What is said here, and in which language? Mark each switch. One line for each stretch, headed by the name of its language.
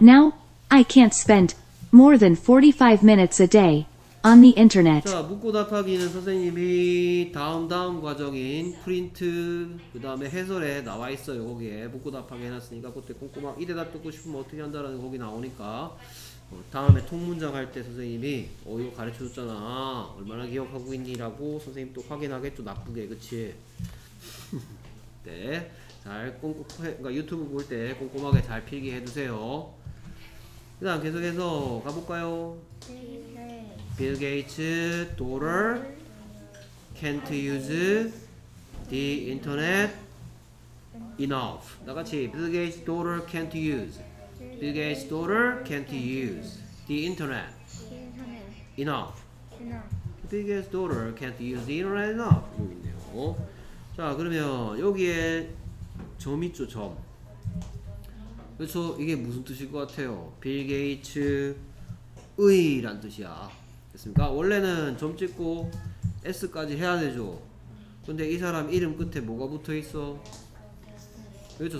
English: Now, I can't spend more than 45 minutes a day. On the internet.
Korean: 자, 묻고 답하기는 선생님이 다음 과정인 프린트 그 다음에 해설에 나와 있어요. 거기에 묻고 답하기 해놨으니까 그때 꼼꼼하게 이 대답 듣고 싶으면 어떻게 한다라는 거기 나오니까 다음에 통문장 할 때 선생님이 이거 가르쳐줬잖아 얼마나 기억하고 있니? 라고 선생님 또 확인하겠죠. 나쁘게. 그치? 네, 잘 꼼꼼하게 그러니까 유튜브 볼 때 꼼꼼하게 잘 필기해 두세요. 그 다음 계속해서 가볼까요?
English: 빌 게이츠 daughter can't use the internet enough.
Korean: 나같이
English: 빌 게이츠 daughter can't use. 빌 게이츠 daughter can't use the internet enough. 빌 게이츠 daughter can't use the internet enough.
Korean: 있네요. 자, 그러면 여기에 점 있죠, 점. 그렇죠. 이게 무슨 뜻일 것 같아요? 빌 게이츠의 란 뜻이야. 됐습니까? 원래는 점 찍고 S까지 해야 되죠. 근데 이 사람 이름 끝에 뭐가 붙어 있어? 그렇죠.